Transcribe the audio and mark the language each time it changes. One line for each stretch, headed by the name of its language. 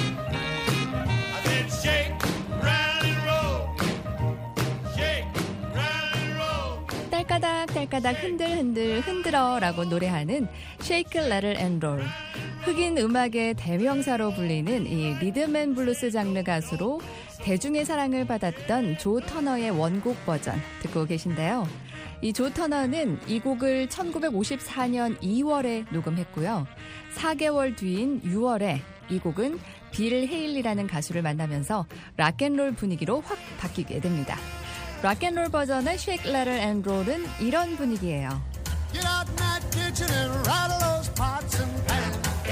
English: I said shake, round and roll. Shake, round and roll.
Korean: 딸까닥 딸까닥 흔들 흔들 흔들어라고 노래하는 Shake, Rattle and Roll. 흑인 음악의 대명사로 불리는 이 리듬 앤 블루스 장르 가수로 대중의 사랑을 받았던 조 터너의 원곡 버전 듣고 계신데요. 이 조 터너는 이 곡을 1954년 2월에 녹음했고요. 4개월 뒤인 6월에 이 곡은 빌 헤일리라는 가수를 만나면서 락앤롤 분위기로 확 바뀌게 됩니다. 락앤롤 버전의 Shake, Rattle and Roll은 이런 분위기예요.
English: Get out in that kitchen and rattle those pots and pans.